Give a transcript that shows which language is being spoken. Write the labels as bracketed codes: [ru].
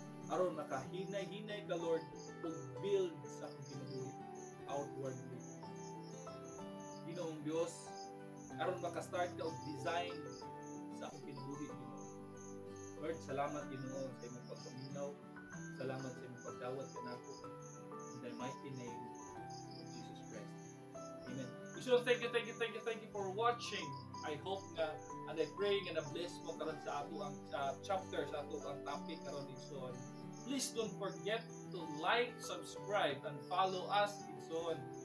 [ceb] Aron makahinay-hinay ka, Lord, o build sa akong kinabuhi outwardly. Ginoong Diyos, aron makastart ka o design sa akong kinabuhi, Ginoo. Lord, salamat, Ginoo, sa imong pagpaminaw. Salamat sa imong pagdawat ka na ako. [en] In the mighty name of Jesus Christ. Amen. So thank you for watching. I hope [ceb] nga, [en] and I pray [ceb] nga na bless mo karon sa ato ang chapter, sa ato ang topic karon igsoon. [en] Please don't forget to like, subscribe, and follow us igsoon.